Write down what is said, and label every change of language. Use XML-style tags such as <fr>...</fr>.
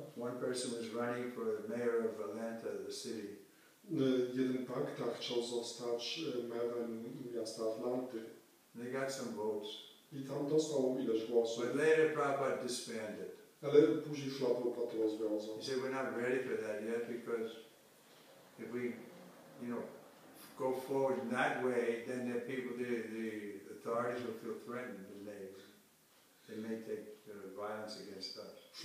<en>One person was running for the mayor of Atlanta, the city.</en> <pl>Jeden pakta chciał zostać mayorem miasta Atlanty.</pl> <en>And they got some votes.</en> <pl>I tam dostał ileś głosów.</pl> <en>But later Prabhupada disbanded.</en> <pl>Ale później Prabhupada to rozwiązał.</pl> <en>He said, we're not ready for that yet, because if we, you know, go forward in that way, then the people, the authorities will feel threatened and they may take violence against us.</en>